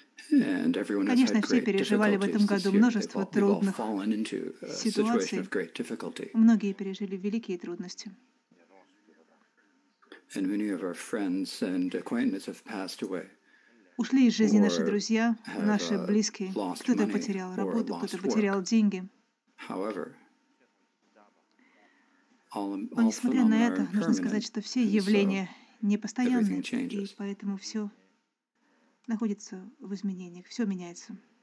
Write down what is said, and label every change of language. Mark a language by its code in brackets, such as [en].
[en] And everyone has had great difficulties this year. They've all fallen into a situation of great difficulty. [ru] Многие пережили великие трудности. [en] And many of our friends and acquaintances have passed away. [ru] Ушли из жизни наши друзья, наши близкие. Кто-то потерял работу, кто-то потерял деньги. Но несмотря на это, нужно сказать, что все явления непостоянны, и поэтому все находится в изменениях, все меняется.